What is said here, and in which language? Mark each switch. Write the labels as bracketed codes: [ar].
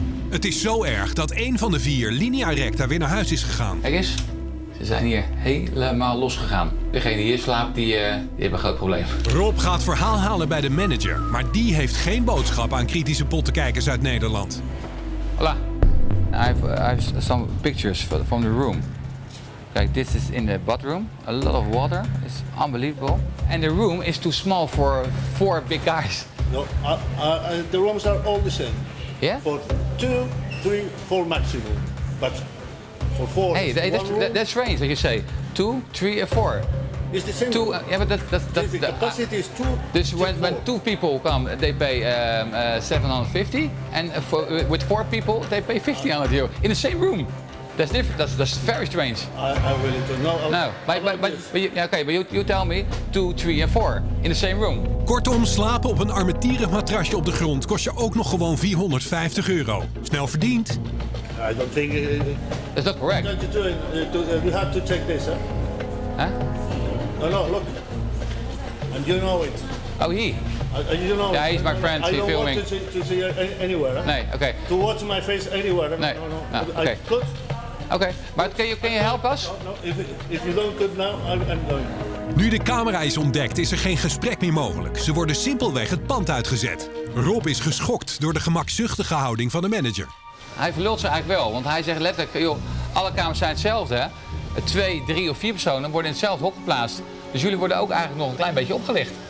[nl] Het is zo erg dat een van de vier linea recta weer naar huis is gegaan. Kijk eens, ze zijn hier helemaal losgegaan. Degene die hier slaapt, die heeft een groot probleem. Rob gaat verhaal halen bij de manager, maar die heeft geen boodschap aan kritische pottenkijkers uit Nederland. [en] Hola, I have some pictures from the room. Kijk, this is in the bathroom. A lot of water, it's unbelievable. And the room is too small for four big guys. No, the rooms are all the same. Yeah? For 2, 3, 4 maximum. But for 4. Hey, that's strange, like you say. 2, 3, and 4. It's the same. The capacity is 2. This when 2 people come, they pay 750. And for, with 4 people, they pay 1,500 euro in the same room. That's different. That's very strange. I really don't know. No. But you tell me 2, 3 and 4 in the same room. [nl] Kortom, slapen op een armetierig matrasje op de grond kost je ook nog gewoon €450. Snel verdiend. [en] I don't think. Is that correct? What are you doing? We have to check this, huh? Huh? No. Look. And you know it. Oh, he. You don't know. Yeah, he's my friend. He's filming. I don't want to see anywhere. Huh? No. Okay. To watch my face anywhere. No. Okay. Okay, but can you help us? No, if you don't cut now, I'm going. [nl] Nu de camera is ontdekt, is er geen gesprek meer mogelijk. Ze worden simpelweg het pand uitgezet. Rob is geschokt door de gemakzuchtige houding van de manager. Hij verlult ze eigenlijk wel, want hij zegt letterlijk, joh, alle kamers zijn hetzelfde. Hè? 2, 3 of 4 personen worden in hetzelfde hok geplaatst. Dus jullie worden ook eigenlijk nog een klein beetje opgelicht.